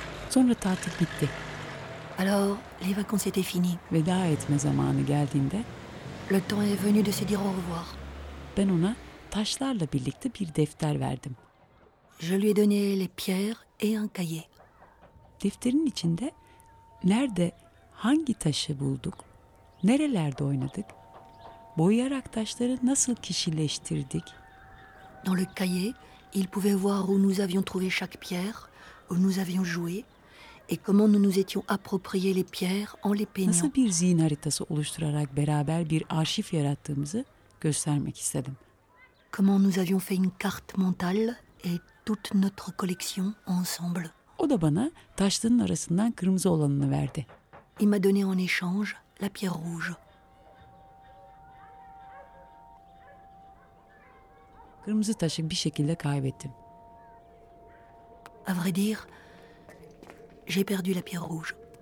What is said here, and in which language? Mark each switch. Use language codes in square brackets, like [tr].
[tr] Sonra tatil bitti. [fr] Alors, les vacances étaient finies. [tr] Veda etme zamanı geldiğinde, [fr] le temps est venu de se dire au revoir. [tr] Ben ona taşlarla birlikte bir defter verdim. [fr] Je lui ai donné les pierres et un cahier. [tr] Defterin içinde nerede hangi taşı bulduk, nerelerde oynadık, boyayarak taşları nasıl kişileştirdik. [fr] Dans le cahier, il pouvait voir où nous avions trouvé chaque pierre, où nous avions joué. Et comment nous nous étions approprié les pierres en les peignant. [tr] Nasıl bir zihin haritası oluşturarak beraber bir arşiv yarattığımızı göstermek istedim. [fr] Comment nous avions fait une carte mentale et toute notre collection ensemble. [tr] O da bana taşların arasından kırmızı olanını verdi. [fr] Il m'a donné en échange la pierre rouge. [tr] Kırmızı taşı bir şekilde kaybettim. [fr] À vrai dire, j'ai perdu la pierre rouge.